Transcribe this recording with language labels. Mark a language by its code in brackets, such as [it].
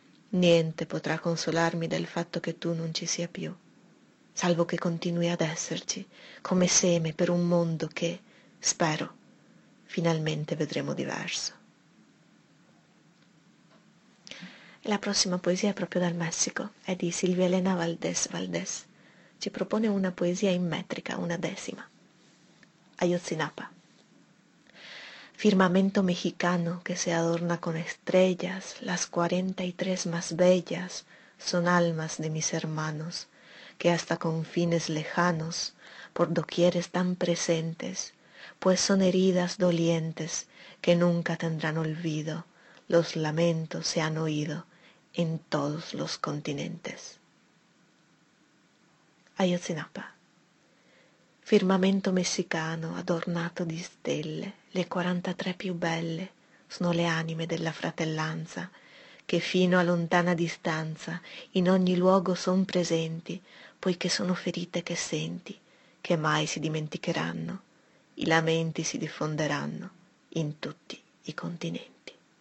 [it] Niente potrà consolarmi del fatto che tu non ci sia più, salvo che continui ad esserci, come seme per un mondo che, spero, finalmente vedremo diverso. La prossima poesia è proprio dal Messico, è di Silvia Elena Valdés Valdés. Ci propone una poesia in metrica, una decima. [es] Ayotzinapa. Firmamento mexicano que se adorna con estrellas, las 43 más bellas son almas de mis hermanos, que hasta con fines lejanos, por doquier están presentes, pues son heridas dolientes que nunca tendrán olvido, los lamentos se han oído en todos los continentes. [it] Ayotzinapa. Firmamento messicano adornato di stelle, le 43 più belle sono le anime della fratellanza, che fino a lontana distanza in ogni luogo son presenti, poiché sono ferite che senti, che mai si dimenticheranno, i lamenti si diffonderanno in tutti i continenti.